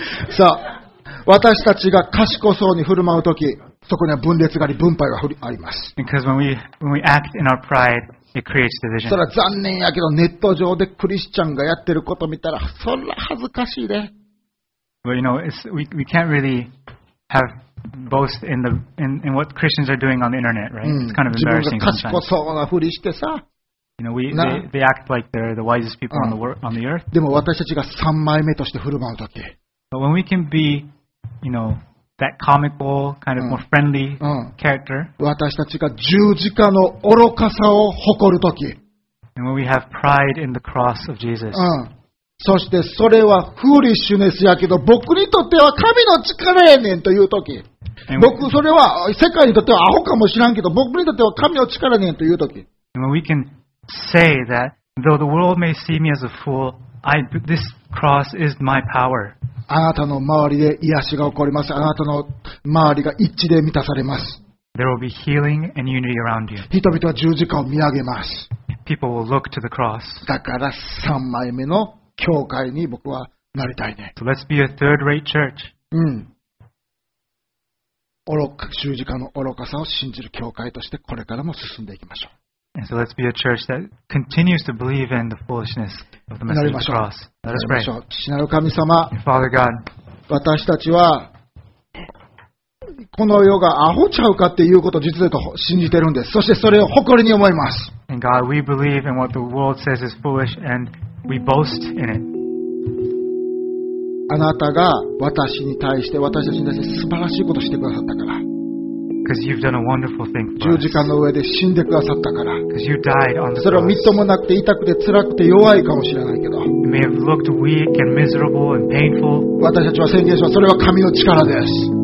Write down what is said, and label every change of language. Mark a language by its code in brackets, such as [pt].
[ja] そう。私たちが賢そうに振る舞うとき、そこには分裂があり、分配があります。 [en] Because when we act in our pride,It creates division. [ja] それは残念やけどネット上でクリスチャンがやってること見たらそんな恥ずかしいで。 [en] Well, you know, we can't really have boast in what Christians are doing on the internet, right? It's kind of embarrassing. [ja] 自分が賢そうなふりしてさ。 [en] You know, they act like they're the wisest people on the earth. [ja] でも私たちが三枚目として振る舞うとき。 [en] But when we can be, you know. That comical, kind of more friendly character. [ja] 私たちが十字架の愚かさを誇るとき。 [en] And when we have pride in the cross of Jesus. [ja] そしてそれはフーリッシュネスやけど、僕にとっては神の力やねんというとき。僕、それは世界にとってはアホかもしらんけど、僕にとっては神の力やねんというとき。 [en] And when we can say that, though the world may see me as a fool, this cross is my power. [ja] あなたの周りで癒しが起こります。あなたの周りが一致で満たされます。 [en] There will be healing and unity around you. [ja] 人々は十字架を見上げます。 [en] people will look to the cross. [ja] だから3枚目の教会に僕はなりたいね。 [en] So let's be a third-rate church. うん。 [ja] 十字架の愚かさを信じる教会としてこれからも進んでいきましょう。 [en] And so let's be a church that continues to believe in the foolishness of the message of the cross. Let us pray. [ja] 父なる神様、 [en] Father God, [ja] 私たちはこの世がアホちゃうかっていうことを実は信じてるんです。そしてそれを誇りに思います。 [en] And God, we believe in what the world says is foolish and we boast in it. [ja] あなたが私に対して私たちに対して素晴らしいことをしてくださったから [en] Because you've done a wonderful thing for us. [ja] 十字架の上で死んでくださったから [en] Because you died on the [ja] それはみっともなくて痛くて辛くて弱いかもしれないけど [en] It may have looked weak and miserable and painful. [ja] 私たちは宣言しますそれは神の力です